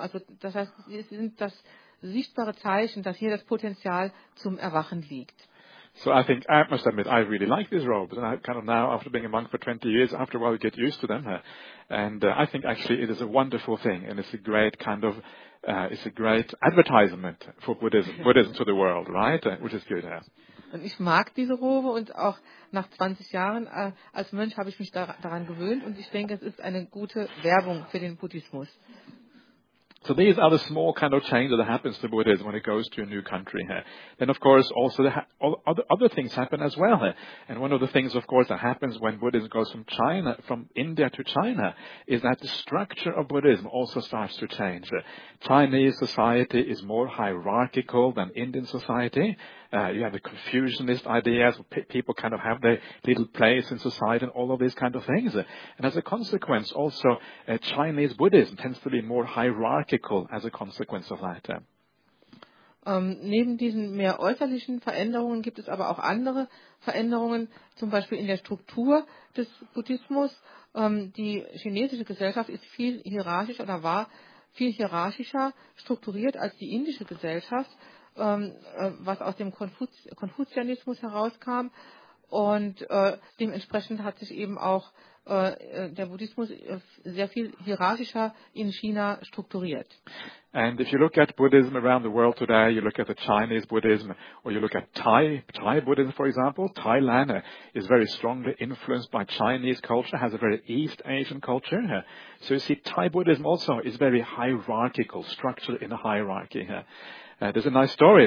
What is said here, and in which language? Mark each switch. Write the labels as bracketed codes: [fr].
[de] Also das heißt, sie sind das sichtbare Zeichen, dass hier das Potenzial zum Erwachen liegt. [en] So I think I must admit I really like these robes, and I kind of now after being a monk for 20 years, after a while you get used to them, and I think actually it is a wonderful thing, and it's a great kind of it's a great advertisement for Buddhism to the world, right? Which is good. Yeah. [de] Und ich mag diese Robe und auch nach 20 Jahren als Mönch habe ich mich daran gewöhnt und ich denke, es ist eine gute Werbung für den Buddhismus. [en] So these are the small kind of changes that happens to Buddhism when it goes to a new country. Then of course also other things happen as well. And one of the things of course that happens when Buddhism goes from India to China is that the structure of Buddhism also starts to change. Chinese society is more hierarchical than Indian society. You have the Confucianist ideas, people kind of have their little place in society and all of these kind of things. And as a consequence, also Chinese Buddhism tends to be more hierarchical as a consequence of that. [de] Neben diesen mehr äußerlichen Veränderungen gibt es aber auch andere Veränderungen, zum Beispiel in der Struktur des Buddhismus. Die chinesische Gesellschaft ist viel hierarchischer strukturiert als die indische Gesellschaft, was aus dem Konfuzianismus herauskam. Und dementsprechend hat sich eben auch der Buddhismus sehr viel hierarchischer in China strukturiert. [en] And if you look at Buddhism around the world today, you look at the Chinese Buddhism, or you look at Thai Buddhism, for example, Thailand is very strongly influenced by Chinese culture, has a very East Asian culture. So you see, Thai Buddhism also is very hierarchical, structured in a hierarchy. There's a nice story.